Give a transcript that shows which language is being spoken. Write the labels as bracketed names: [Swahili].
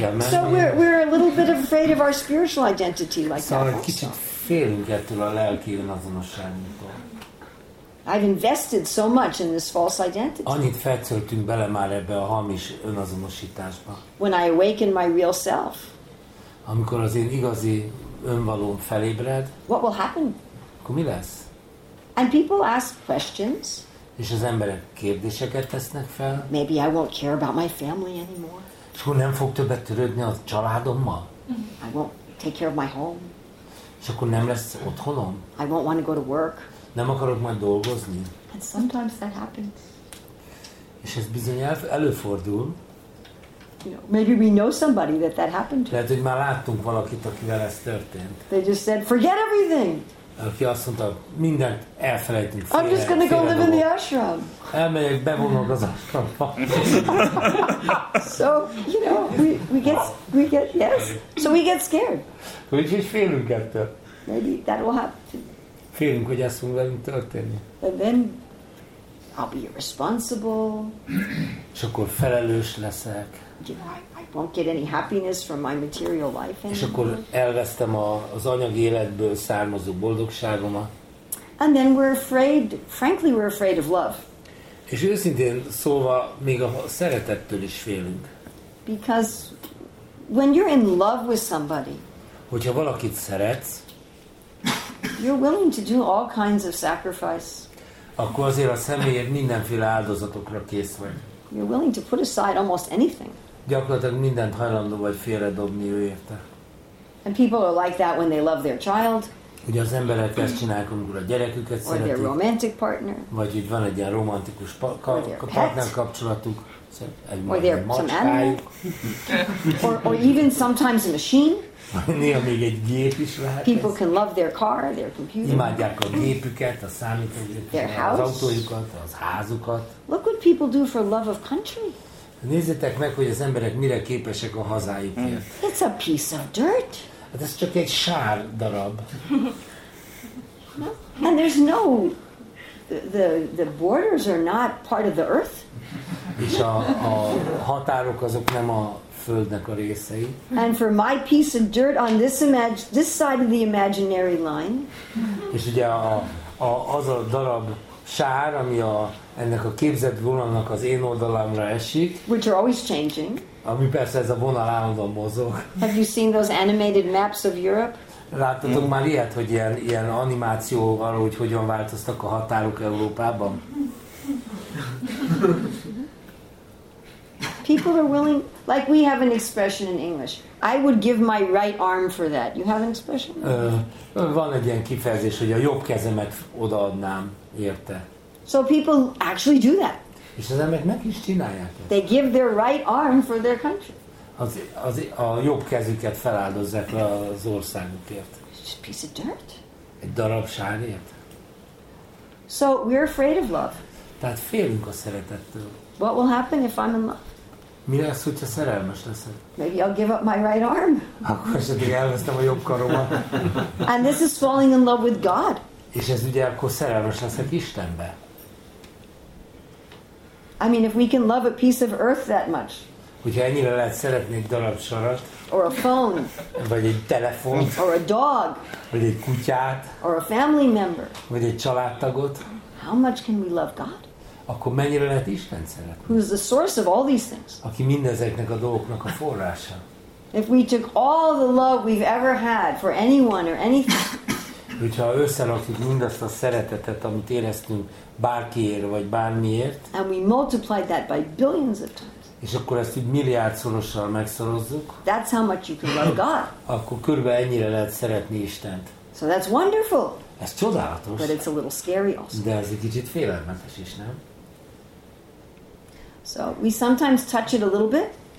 [English] So we're a little bit afraid of our spiritual identity like [Hungarian] szóval [English] that. [Hungarian] Szóval kicsit félünk ettől a lelki önazonosságunktól. [English] I've invested so much in this false identity. [Hungarian] Annyit feltöltünk bele már ebbe a hamis önazonosításba. [English] When I awaken my real self. [Hungarian] Amikor az én igazi önvalóm felébred, [English] what will happen? [Hungarian] Akkor mi lesz? [English] And people ask questions. [Hungarian] És az emberek kérdéseket tesznek fel. [English] Maybe I won't care about my family anymore. [Hungarian] És akkor nem fog többet törődni a családommal. [English] I won't take care of my home. [Hungarian] És akkor nem lesz otthonom. [English] I won't want to go to work. [Hungarian] Nem akarok majd dolgozni. [English] And sometimes that happens. [Hungarian] És ez bizony előfordul. [English] You know, maybe we know somebody that happened to. [Hungarian] Lehet, hogy már láttunk valakit, akivel ez történt. [English] They just said, forget everything. [Hungarian] Aki azt mondta, mindent elfelejtünk. [English] I'm just gonna go live in the ashram. [Hungarian] Elmegyek, bevonok az ashramba. [English] So, you know, we get, yes. So we get scared. [Hungarian] Úgyhogy félünk ettől. [English] Maybe that will happen. [Hungarian] Félünk, hogy ezt fog velünk történni. [English] And then I'll be irresponsible. [Hungarian] És akkor felelős leszek. [English] I won't get any happiness from my material life anymore. [Hungarian] És akkor elvesztem az anyagi életből származó boldogságomat. [English] And then we're afraid, frankly we're afraid of love. [Hungarian] És őszintén szólva még a szeretettől is félünk. [English] Because when you're in love with somebody, [Hungarian] hogyha valakit szeretsz, [English] you're willing to do all kinds of sacrifice. [Hungarian] Akkor azért a személyed mindenféle áldozatokra kész vagy. [English] You're willing to put aside almost anything. [Hungarian] Gyakorlatilag mindent hajlandó vagy félredobni ő érte. [English] And people are like that when they love their child. [Hungarian] hogy az emberek ezt csinálják, amikor a gyereküket szeretik, [English] their romantic partner, [Hungarian] vagy hogy van egy ilyen romantikus partner kapcsolatuk, egy macskájuk. [English] or even sometimes a machine. [Hungarian] Néha még egy gép is lehet. [English] People can love their car, their computer. [Hungarian] Imádják a gépüket, a számítógépüket, az autójukat, az házukat. [English] Look what people do for love of country. [Hungarian] Nézzétek meg, hogy az emberek mire képesek a hazájukért. [English] It's a piece of dirt. [Hungarian] Hát ez csak egy sár darab. [English] And there's no, the borders are not part of the earth. [Hungarian] És a határok azok nem a földnek a részei. [English] And for my piece of dirt on this side of the imaginary line. [Hungarian] És ugye az a darab sár, ami ennek a képzett vonalnak az én oldalamra esik. [English] Which are always changing. [Hungarian] Ami persze ez a vonal állandóan mozog. [English] Have you seen those animated maps of Europe? [Hungarian] Láttatok már ilyet, hogy ilyen animáció arról, hogy hogyan változtak a határok Európában? [English] People are willing, like we have an expression in English. I would give my right arm for that. You have an expression? [Hungarian] Van egy ilyen kifejezés, hogy a jobb kezemet odaadnám érte. [English] So people actually do that. [Hungarian] És az emberek meg is csinálják ezt. [English] They give their right arm for their country. [Hungarian] A jobb kezüket feláldozzák az országukért. [English] It's just a piece of dirt. [Hungarian] Egy darab sárért. [English] So we're afraid of love. [Hungarian] Tehát félünk a szeretettől. [English] What will happen if I'm in love? [Hungarian] Mi lesz, hogyha szerelmes leszel? [English] Maybe I'll give up my right arm. [Hungarian] Akkor esetleg elvesztem a jobb karomat. [English] And this is falling in love with God. [Hungarian] És ez ugye akkor szerelmes leszek Istenbe. [English] I mean, if we can love a piece of earth that much. [Hungarian] Hogyha ennyire lehet szeretni egy darab sarat. [English] Or a phone. [Hungarian] Vagy egy telefon. [English] Or a dog. [Hungarian] Vagy egy kutyát. [English] Or a family member. [Hungarian] Vagy egy családtagot. [English] How much can we love God? [Hungarian] Akkor mennyire lehet Isten szeretni? [English] Who's the source of all these things? [Hungarian] Aki mindezeknek a dolgoknak a forrása. [English] If we took all the love we've ever had for anyone or anything. [Hungarian] Hogyha összerakjuk mindazt a szeretetet, amit éreztünk bárkiért vagy bármiért. [English] And we multiplied that by billions of times. [Hungarian] És akkor ezt így milliárdszorossal megszorozzuk. [English] That's how much you can love God. [Hungarian] Akkor körülbelül ennyire lehet szeretni Istent. [English] So that's wonderful. [Hungarian] Ez csodálatos. [English] But it's a little scary also. [Hungarian] De ez egy kicsit félelmetes is, nem? [English] So we sometimes touch it a little bit.